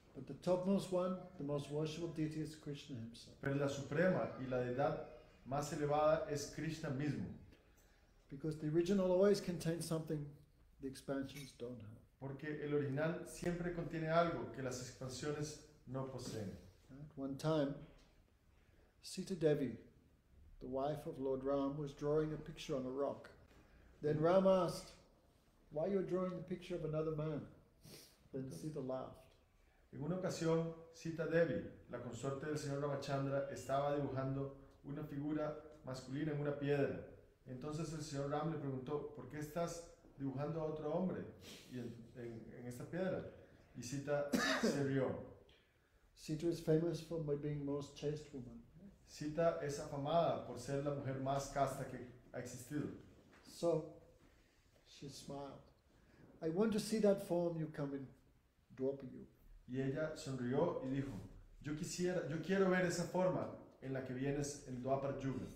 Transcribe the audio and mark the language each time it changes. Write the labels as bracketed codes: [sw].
[en] But the topmost one, the most worshipable deity, is Krishna himself. [es] Pero la suprema y la deidad más elevada es Krishna mismo. [en] Because the original always contains something the expansions don't have. [es] Porque el original siempre contiene algo que las expansiones no poseen. [en] At one time, Sita Devi, the wife of Lord Ram, was drawing a picture on a rock. Then Ram asked, "Why are you drawing the picture of another man?" Then Sita laughed. [es] En una ocasión, Sita Devi, la consorte del señor Ramachandra, estaba dibujando una figura masculina en una piedra. Entonces el señor Ram le preguntó, "¿Por qué estás dibujando a otro hombre en esta piedra?" Y Sita se rió. [en] Sita is famous for being most chaste woman. [es] Sita es afamada por ser la mujer más casta que ha existido. [en] So, she smiled. "I want to see that form you come in, drop you." [es] Y ella sonrió y dijo, yo quiero ver esa forma en la que vienes en Dwapar Yuga.